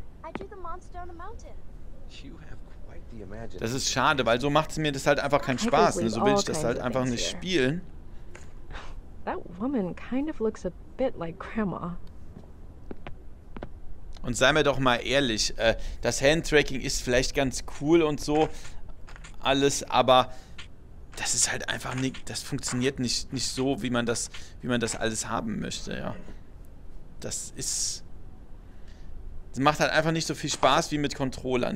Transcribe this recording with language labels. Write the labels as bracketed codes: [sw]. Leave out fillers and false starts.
[en] I drew the monster on a mountain. You have quite the imagination. [de] Das ist schade, weil so macht es mir das halt einfach keinen Spaß. Ne? So will ich das halt einfach nicht spielen. [en] That woman kind of looks a bit like Grandma. [de] Und seien wir doch mal ehrlich, das Handtracking ist vielleicht ganz cool und so alles, aber das ist halt einfach nicht, das funktioniert nicht so, wie man das alles haben möchte, ja. Das macht halt einfach nicht so viel Spaß wie mit Controllern.